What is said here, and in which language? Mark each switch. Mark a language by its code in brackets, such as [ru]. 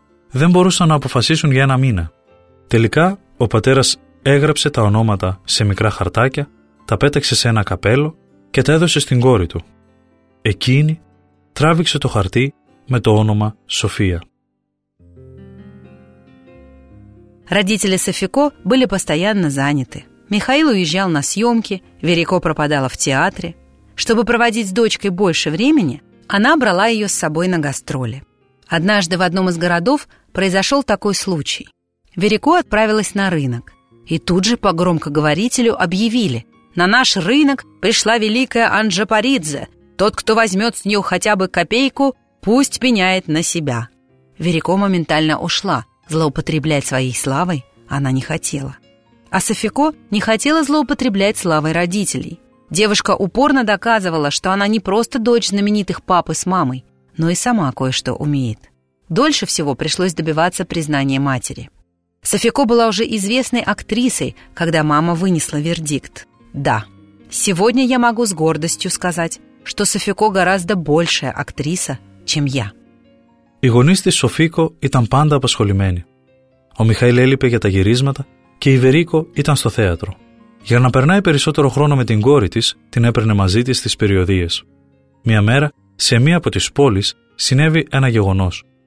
[el] Δεν μπορούσαν να αποφασίσουν για ένα μήνα. Τελικά, ο πατέρας έγραψε τα ονόματα σε μικρά χαρτάκια, τα πέταξε σε ένα καπέλο και τα έδωσε στην κόρη του. Εκείνη τράβηξε το χαρτί με το όνομα Σοφία. [ru] Родители Софико были постоянно заняты. Михаил уезжал на съемки, Верико пропадала в театре. Чтобы проводить с дочкой больше времени, она брала ее с собой на гастроли. Однажды в одном из городов произошел такой случай. Верико отправилась на рынок. И тут же по громкоговорителю объявили: «На наш рынок пришла великая Анджа Паридзе. Тот, кто возьмет с нее хотя бы копейку, пусть пеняет на себя». Верико моментально ушла. Злоупотреблять своей славой она не хотела. А Софико не хотела злоупотреблять славой родителей. Девушка упорно доказывала, что она не просто дочь знаменитых папы с мамой, но и сама кое-что умеет. Дольше всего пришлось добиваться признания матери. Софико была уже известной актрисой, когда мама вынесла вердикт. Да, сегодня я могу с гордостью сказать, что Софико гораздо большая актриса, чем я. [el] Οι γονείς της Σοφίκο ήταν πάντα απασχολημένοι. Ο Μιχαήλ έλειπε για τα γυρίσματα και η Βερίκο ήταν στο θέατρο. Για να περνάει περισσότερο χρόνο με την κόρη της, την έπαιρνε μαζί της στις περιοδίες. Μια μέρα, σε μία από τις πόλεις, συνέβη ένα γεγονός.